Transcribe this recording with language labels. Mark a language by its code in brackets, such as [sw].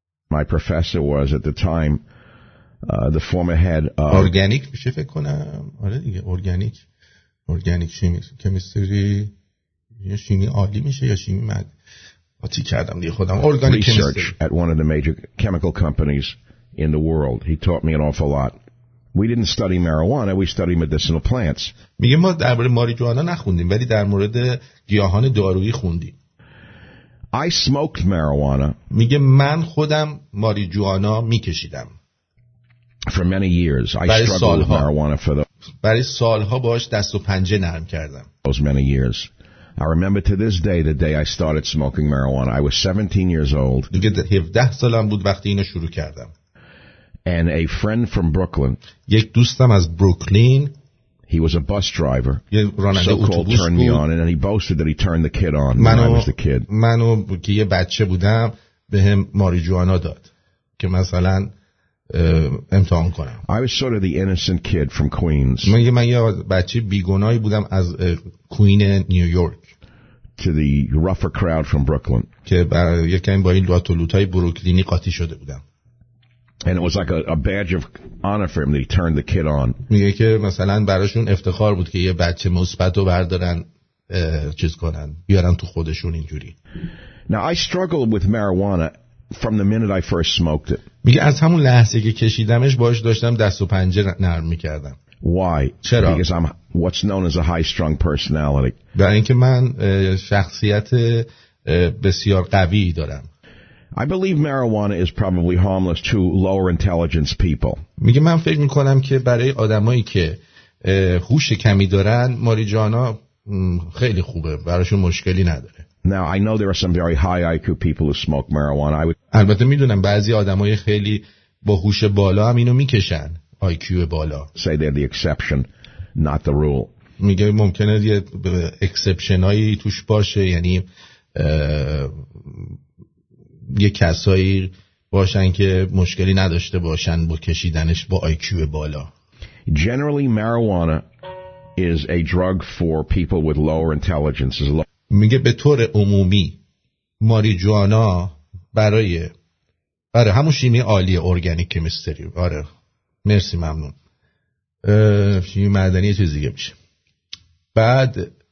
[en] My professor was at the time the former head of [fa] organic میشه فکر کنم آره دیگه organic chemistry یا شیمی عالی میشه یا شیمی مد آتی کردم دیگه خودم organic [en] research chemistry. At one of the major chemical companies in the world. He taught me an awful lot. We didn't study marijuana, we studied medicinal plants. [fa] میگه ما درباره ماریجوانا نخوندیم ولی در مورد گیاهان دارویی خوندیم. [en] I smoked marijuana. [fa] میگه من خودم ماریجوانا میکشیدم. [en] For many years I struggled with marijuana for the [fa] برای سالها باش دست و پنجه نرم کردم. [en] Those many years. I remember to this day the day I started smoking marijuana. I was 17 years old. [fa] میگه 17 سالم بود وقتی اینو شروع کردم. [en] And a friend from Brooklyn. [fa] یک دوستم از بروکلین. [en] He was a bus driver. [fa] راننده اتوبوس [en] so-called turned me on, and then he boasted that he turned the kid on when I was the kid. [fa] منو که یه بچه بودم بهم ماریجوانا داد که مثلا امتحان کنم. [en] I was sort of the innocent kid from Queens. [fa] من یه بچه بیگناهی بودم از کوین نیویورک. [en] To the rougher crowd from Brooklyn. [fa] که یکم با این لات و لوتای بروکلینی قاطی شده بودم. [en] And it was like a badge of honor for him that he turned the kid on. [fa] میگه که مثلا براشون افتخار بود که یه بچه مثبتو بردارن چیز کنن بیارن تو خودشون اینجوری. [en] Now I struggled with marijuana from the minute I first smoked it. [fa] میگه از همون لحظه که کشیدمش باهاش داشتم دست و پنجه نرم میکردم. [en] Why? [fa] چرا؟ [en] Because I'm what's known as a high strung personality. [fa] برای اینکه من شخصیت بسیار قوی دارم. [en] I believe marijuana is probably harmless to lower intelligence people. [fa] میگه من فکر میکنم که برای آدمایی که هوش کمی دارن ماریجوانا خیلی خوبه، براشون مشکلی نداره. [en] Now I know there are some very high IQ people who smoke marijuana. I would [fa] البته میدونم بعضی آدمای خیلی با هوش بالا هم اینو میکشن، IQ بالا. [en] Say they're the exception, not the rule. [fa] میگه ممکنه یه اکسپشنایی توش باشه، یعنی یه کسایی باشن که مشکلی نداشته باشن با کشیدنش با IQ بالا. [en] Generally marijuana is a drug for people with lower intelligences. [fa] میگه به طور عمومی ماریجوانا برای آره همون شیمی عالی ارگانیک کیمستری آره مرسی ممنون شیمی معدنی چیز دیگه میشه. بعد